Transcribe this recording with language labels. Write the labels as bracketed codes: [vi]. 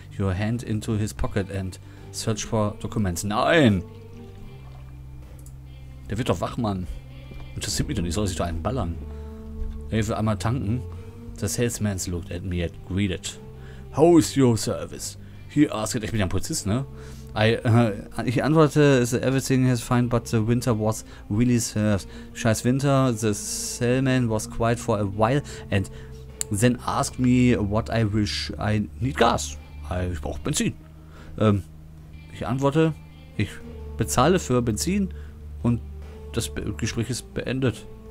[en] Your hand into his pocket and search for documents. [de] Nein! Der wird doch wach, Mann. Interessiert mich doch nicht, soll sich doch einen ballern. Ich will einmal tanken. [en] The salesman looked at me and greeted. How is your service? He asked, [de] ich bin ja ein Polizist, ne? Ich antworte, [en] everything is fine, but the winter was really served. [de] Scheiß Winter, [en] the salesman was quiet for a while and then asked me what I wish. I need gas. [de] Ich brauche Benzin. Ich antworte, ich bezahle für Benzin und das Gespräch ist beendet.